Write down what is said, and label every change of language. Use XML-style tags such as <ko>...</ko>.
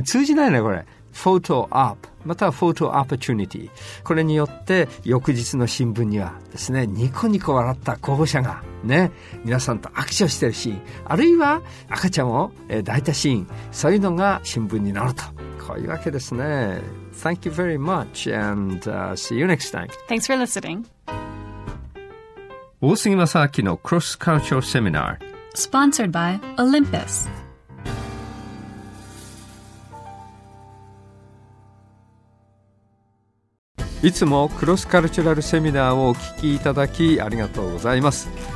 <ja>通じないね、これ。photo op、または photo opportunity。これによって、翌日の新聞にはですね、ニコニコ笑った候補者がね、皆さんと握手してるシーン、あるいは赤ちゃんを抱いたシーン、そういうのが新聞になると。こういうわけですね。</ja> <en>Thank you very much and see you next time. Thanks for listening.</en> <ja>大杉正明のクロスカルチャーセミナー</ja> <en>Sponsored by Olympus.</en> <ja>いつもクロスカルチャルセミナーをお聞きいただきありがとうございます。</ja>